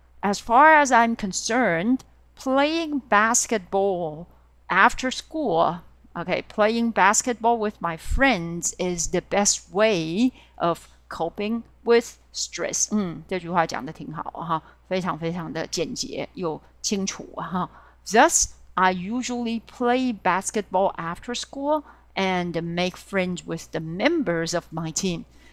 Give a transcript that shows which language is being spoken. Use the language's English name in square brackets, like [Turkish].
[English] As far as I'm concerned, playing basketball after school, OK, playing basketball with my friends is the best way of coping with stress。 [Chinese] 这句话讲得挺好啊哈，非常非常的简洁又清楚啊哈。 [English] Thus, I usually play basketball after school and make friends with the members of my team。